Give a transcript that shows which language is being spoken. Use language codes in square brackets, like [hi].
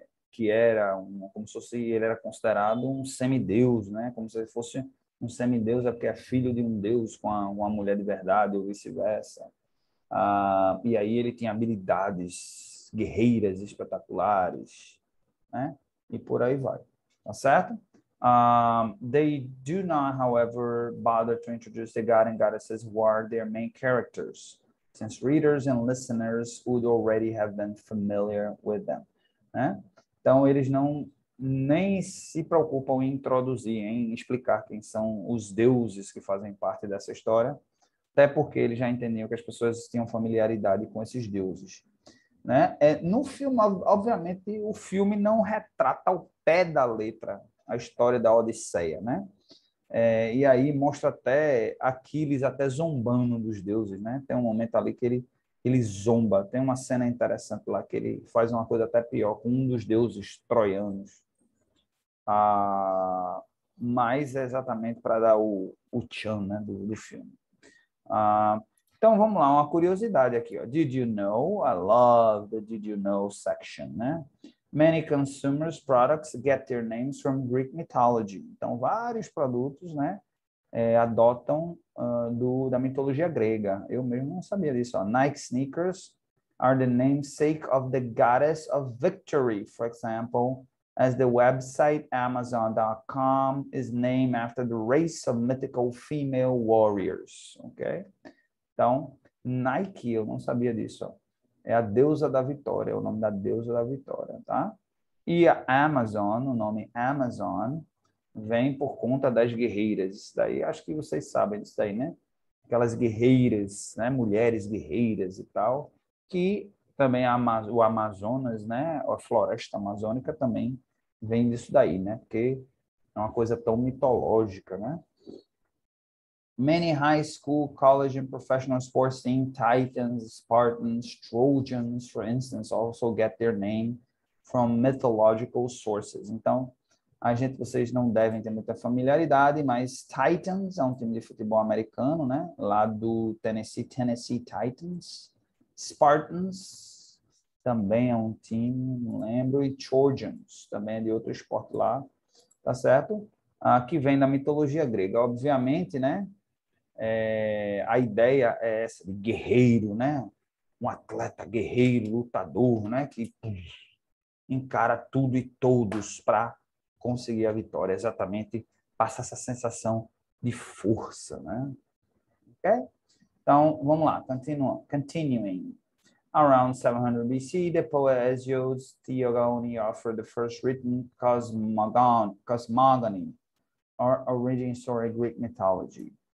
[pt] Que era como se fosse, ele era considerado um semideus, né? Como se ele fosse um semideus, é porque é filho de um deus com uma mulher de verdade, ou vice-versa. Ah, e aí ele tem habilidades guerreiras espetaculares, né? E por aí vai. Tá certo? [en] They do not, however, bother to introduce the god and goddesses who are their main characters, since readers and listeners would already have been familiar with them. [pt] Né? Então, eles não nem se preocupam em introduzir, em explicar quem são os deuses que fazem parte dessa história, até porque eles já entendiam que as pessoas tinham familiaridade com esses deuses. Né? No filme, obviamente, o filme não retrata ao pé da letra a história da Odisseia, né? E aí mostra até Aquiles até zombando dos deuses, né? Tem um momento ali que ele zomba. Tem uma cena interessante lá que ele faz uma coisa até pior com um dos deuses troianos. Ah, mas é exatamente para dar o tchan, né, do filme. Ah, então vamos lá, uma curiosidade aqui, ó. [en] Did you know? I love the did you know section, né? Many consumers' products get their names from Greek mythology. [pt] Então, vários produtos, né, adotam da mitologia grega. Eu mesmo não sabia disso. Ó. [en] Nike sneakers are the namesake of the goddess of victory, for example, as the website Amazon.com is named after the race of mythical female warriors. [pt] Okay? Então, Nike, eu não sabia disso. Ó. É a deusa da vitória, é o nome da deusa da vitória, tá? E a Amazon, o nome Amazon, vem por conta das guerreiras. Isso daí, acho que vocês sabem disso daí, né? Aquelas guerreiras, né? Mulheres guerreiras e tal, que também o Amazonas, né? A floresta amazônica também vem disso daí, né? Porque é uma coisa tão mitológica, né? [en] Many high school, college and professional sports teams, Titans, Spartans, Trojans, for instance, also get their name from mythological sources. [pt] Então, vocês não devem ter muita familiaridade, mas Titans é um time de futebol americano, né? Lá do Tennessee, Tennessee Titans. Spartans também é um time, não lembro. E Trojans também é de outro esporte lá, tá certo? Que vem da mitologia grega, obviamente, né? A ideia é essa de guerreiro, né? Um atleta guerreiro, lutador, né? Que encara tudo e todos para conseguir a vitória, exatamente, passa essa sensação de força, né? Ok? Então, vamos lá, continuing. [en] Around 700 BC, the poet Hesiod's Theogony offered the first written cosmogony, or origin story of Greek mythology.